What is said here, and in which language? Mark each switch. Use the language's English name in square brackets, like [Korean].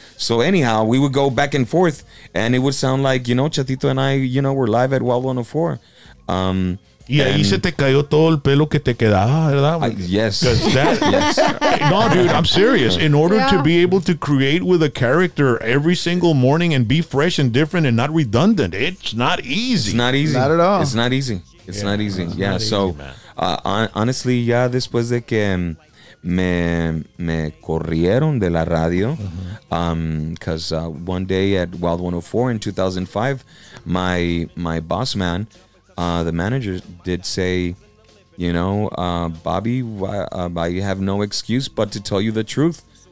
[English] So anyhow, we would go back and forth. And it would sound like, you know, Chatito and I, you know, we're live at Wild 104. [Spanish] Y ahí se te cayó todo el pelo que te quedaba, ¿verdad? [English] Yes. No, dude, I'm serious. In order to be able to create with a character every single morning and be fresh and different and not redundant, it's not easy. It's not easy. Not at all. It's not easy. It's not easy. It's yeah, not so easy, honestly, [Spanish] ya después de que me corrieron de la radio, [English] because one day at Wild 104 in 2005, my boss man, the manager did say, you know, Bobby, I have no excuse but to tell you the truth.